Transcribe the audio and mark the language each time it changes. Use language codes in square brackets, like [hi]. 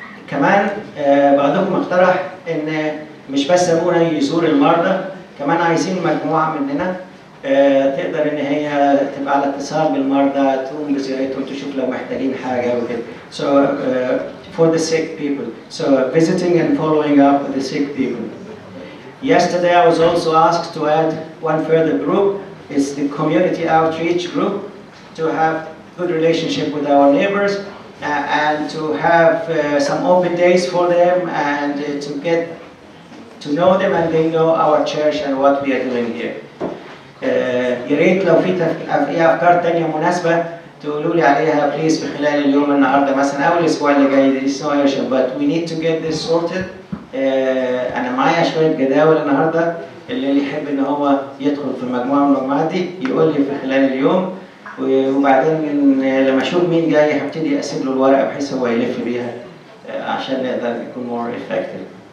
[ar] كمان بعضكم اقترح إن مش بس أبونا يزور المرضى، كمان عايزين مجموعة مننا تقدر إن هي تبقى على اتصال بالمرضى، تقوم بزيارتهم، تشوف لو محتاجين حاجة وكده. [en] So for the sick people. So visiting and following up with the sick people. Yesterday I was also asked to add one further group. It's the community outreach group to have good relationship with our neighbors and to have some open days for them and to get to know them and they know our church and what we are doing here. [ar] ياريت لو في أي أفكار تانية مناسبة تقولوا لي عليها بليز في خلال اليوم النهاردة مثلا أو الأسبوع اللي جاي. [en] It's no issue but we need to get this sorted. [ar] أنا معايا شوية جداول النهاردة، اللي يحب إن هو يدخل في مجموعة من المجموعات دي يقول لي في خلال اليوم، وبعدين لما أشوف مين جاي هبتدي أسيب له الورقة بحيث هو يلف بيها عشان نقدر يكون [en] more effective.